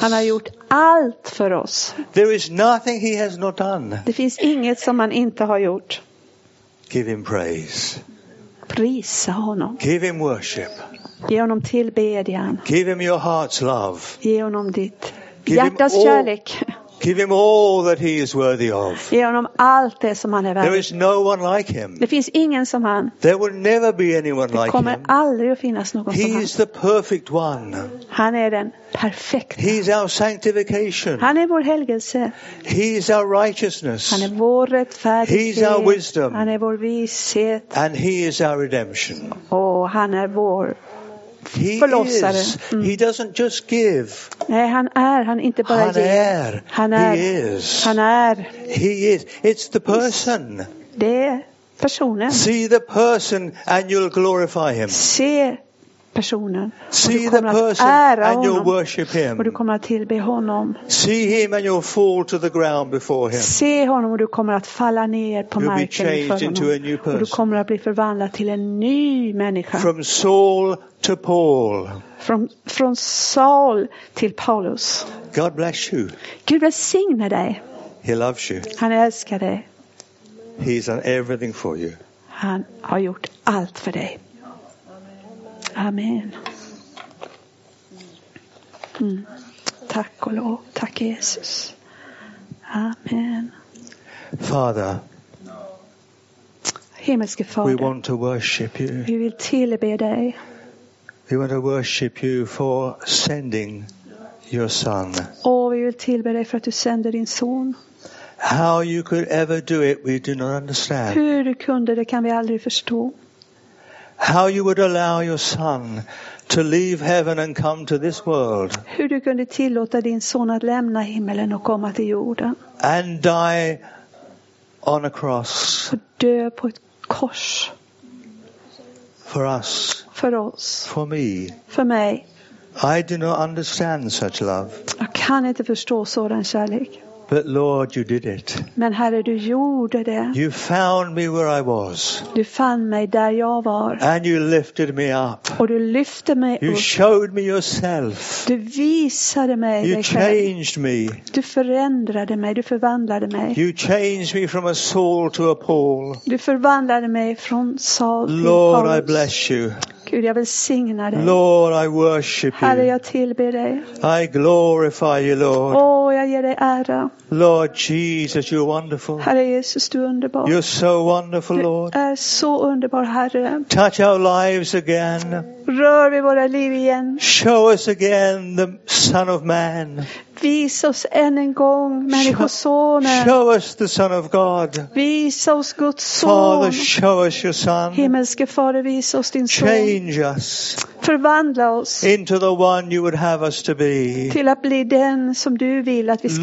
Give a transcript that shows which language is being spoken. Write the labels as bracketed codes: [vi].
[sv] Han har gjort allt för oss. [en] There is nothing he has not done. [sv] Det finns inget som han inte har gjort. [en] Give him praise. [sv] Prisa honom. [en] Give him worship. [sv] Ge honom tillbedjan. [en] Give him your heart's love. [sv] Ge honom ditt hjärtas kärlek. [en] Give him all that he is worthy of. [sv] Ge honom allt det som han är värd. [en] There is no one like him. [sv] Det finns ingen som han. [en] There will never be anyone like him. [sv] Det kommer aldrig att finnas någon som han. [en] He is the perfect one. [sv] Han är den perfekta. [en] He is our sanctification. [sv] Han är vår helgelse. [en] He is our righteousness. [sv] Han är vår rättfärdighet. [en] He is our wisdom. [sv] Han är vår vishet. [en] And he is our redemption. [sv] Och han är vår. [en] He is. He doesn't just give. [sv] Nej, han är. Han inte bara han är. Ger. Han är. [en] He is. [sv] Han är. [en] He is. It's the person. [sv] Det är personen. [en] See the person and you'll glorify him. [sv] Se personen. [en] See the person and you'll worship him. [sv] Och du kommer att tillbe honom. [en] See him and you'll fall to the ground before him. [sv] Se honom och du kommer att falla ner på [en] you'll [sv] marken [en] be changed [sv] för honom. [en] Into a new person. [sv] Och du kommer att bli förvandlad till en ny människa. [en] From Saul to Paul. [sv] Från Saul till Paulus. [en] God bless you. [sv] Gud välsigne dig. [en] He loves you. [sv] Han älskar dig. [en] He's done everything for you. [sv] Han har gjort allt för dig. [en] Amen. [sv] Tack och lov. Tack Jesus. Amen. [en] Father. [sv] Himmelske Fader. [en] We want to worship you. [sv] Vi vill tillbe dig. [en] We want to worship you for sending your son. [sv] Och vi vill tillbe dig för att du sänder din son. [en] How you could ever do it, we do not understand. [sv] Hur du kunde det kan vi aldrig förstå. [en] How you would allow your son to leave heaven and come to this world. [sv] Hur du kunde tillåta din son att lämna himmelen och komma till jorden. [en] And die on a cross. [sv] Och dö på ett kors. [en] For us. [sv] För oss. [en] For me. [sv] För mig. [en] I do not understand such love. [sv] Jag kan inte förstå sådan kärlek. [en] But Lord, you did it. [sv] Men Herre, du gjorde det. [en] You found me where I was. [sv] Du fann mig där jag var. [en] And you lifted me up. [sv] Och du lyfte mig [en] you [sv] upp. [en] You showed me yourself. [sv] Du visade mig [en] you [sv] dig [en] changed [sv] själv. [en] Me. [sv] Du förändrade mig, du förvandlade mig. [en] You changed me from a Saul to a Paul. [sv] Du förvandlade mig från Saul till Paulus. [en] Lord, I bless you. [sv] Gud, jag välsigna dig. [en] Lord, I worship you. [sv] Herre, jag tillber dig. [en] I glorify you, Lord. [sv] Åh, jag ger dig ära. [en] Lord Jesus, you're wonderful. [sv] Herre Jesus, du är underbar. [en] You're so wonderful, [sv] du [en] Lord. [sv] Du är så underbar, Herre. [en] Touch our lives again. [sv] Rör vi våra liv igen. [en] Show us again the Son of Man. [sv] Visa oss än en gång, människosonen. [en] Show us the Son of God. [sv] Visa oss Guds son. [en] Father, show us your Son. [sv] Himmelske Fader, visa oss din son. [en] Change us. [sv] Förvandla oss. [en] Into the one you would have us to be. [sv] Till att bli den som du vill att vi ska